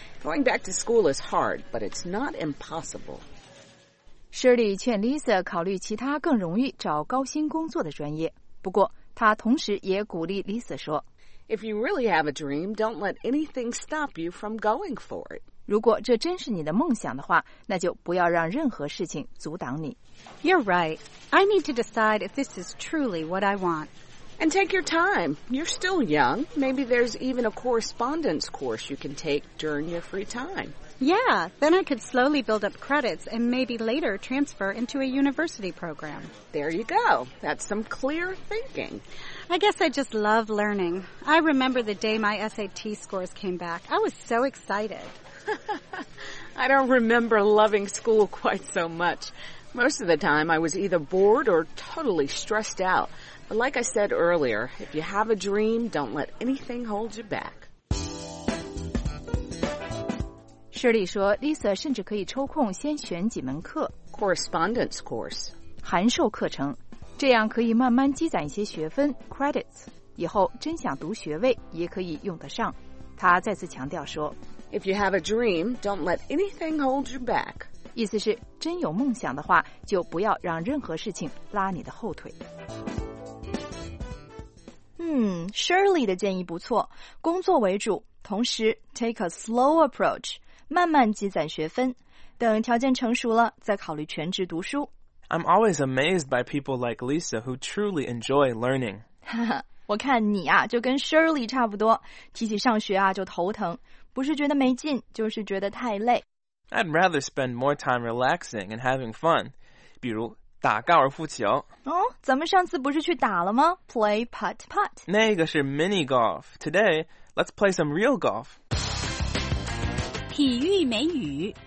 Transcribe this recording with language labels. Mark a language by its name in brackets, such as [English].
[English] Going back to school is hard, but it's not impossible. [Chinese] Shirley 劝 Lisa 考虑其他更容易找高薪工作的专业。不过，她同时也鼓励 Lisa 说 [English] If you really have a dream, don't let anything stop you from going for it. [Chinese] 如果这真是你的梦想的话，那就不要让任何事情阻挡你。 [English] You're right. I need to decide if this is truly what I want. And take your time. You're still young. Maybe there's even a correspondence course you can take during your free time. Yeah, then I could slowly build up credits and maybe later transfer into a university program. There you go. That's some clear thinking. I guess I just love learning. I remember the day my SAT scores came back. I was so excited. I don't remember loving school quite so much. Most of the time, I was either bored or totally stressed out. But like I said earlier, if you have a dream, don't let anything hold you back. [Chinese] Shirley 说 ,Lisa 甚至可以抽空先选几门课 [English] ,correspondence course, [Chinese] 函授课程,这样可以慢慢积攒一些学分 ,credits, 以后真想读学位也可以用得上。他再次强调说 [English] ,If you have a dream, don't let anything hold you back. [Chinese] 意思是真有梦想的话就不要让任何事情拉你的后腿。 Shirley 的建议不错,工作为主,同时 [English] take a slow approach, [Chinese] 慢慢积攒学分，等条件成熟了再考虑全职读书。 [English] I'm always amazed by people like Lisa who truly enjoy learning. [Chinese] 我看你啊，就跟 Shirley 差不多，提起上学啊就头疼，不是觉得没劲，就是觉得太累。 [English] I'd rather spend more time relaxing and having fun. [Chinese] 比如打高尔夫球。哦，咱们上次不是去打了吗 ？ [English] Play putt putt. [Chinese] 那个是 [English] mini golf. Today, let's play some real golf. [Chinese] 体育美语